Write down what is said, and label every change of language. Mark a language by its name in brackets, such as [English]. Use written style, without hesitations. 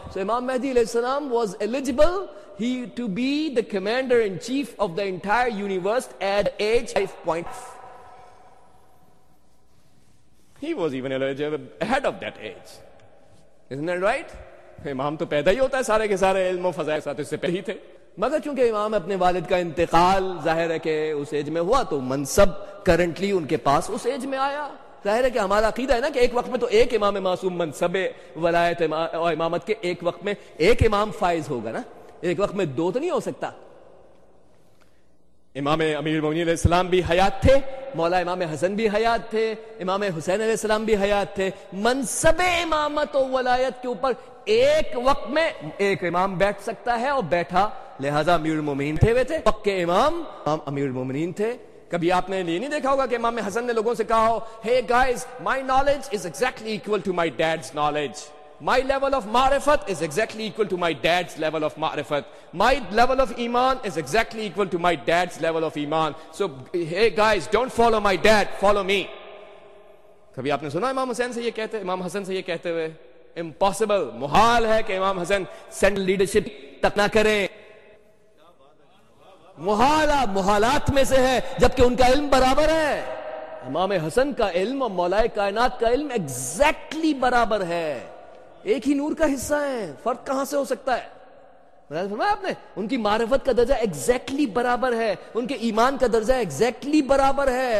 [English] So Imam Mahdi alayhi salam was eligible to be the commander in chief of the entire universe at age 5. He was even eligible ahead of that age. Isn't that right? [Urdu] Imam to paida hi hota hai sare ke sare ilm o fazail ke sath isse pehle hi the. مگر چونکہ امام اپنے والد کا انتقال ظاہر ہے کہ اس ایج میں ہوا تو منصب کرنٹلی ان کے پاس اس ایج میں آیا. ظاہر ہے کہ ہمارا عقیدہ ہے نا کہ ایک وقت میں تو ایک امام معصوم منصب ولایت اور امامت کے ایک وقت میں ایک امام فائز ہوگا نا, ایک وقت میں دو تو نہیں ہو سکتا. امام امیر المومنین علیہ السلام بھی حیات تھے, مولا امام حسن بھی حیات تھے, امام حسین علیہ السلام بھی حیات تھے. منصب امامت و ولایت کے اوپر ایک وقت میں ایک امام بیٹھ سکتا ہے اور بیٹھا, لہذا امیر المومنین تھے ہوئے تھے پکے امام. امام امیر المومنین تھے. کبھی آپ نے یہ نہیں دیکھا ہوگا کہ امام حسن نے لوگوں سے کہا ہو, [English] hey guys, my knowledge is exactly equal to my dad's knowledge. My level of ma'rifat is exactly equal to my dad's level of ma'rifat. My level of iman is exactly equal to my dad's level of iman. So, hey guys, don't follow my dad, follow me. [Urdu] کبھی آپ نے سنا امام حسین سے یہ کہتے, امام حسن سے یہ کہتے ہوئے؟ Impossible, محال ہے کہ امام حسن سینٹرل لیڈرشپ تک نہ کریں. محالہ محالات میں سے ہے, جبکہ ان کا علم برابر ہے. امام حسن کا علم اور مولائے کائنات کا علم exactly برابر ہے, ایک ہی نور کا حصہ ہے, فرق کہاں سے ہو سکتا ہے؟ فرمایا آپ نے ان کی معرفت کا درجہ exactly برابر ہے, ان کے ایمان کا درجہ exactly برابر ہے.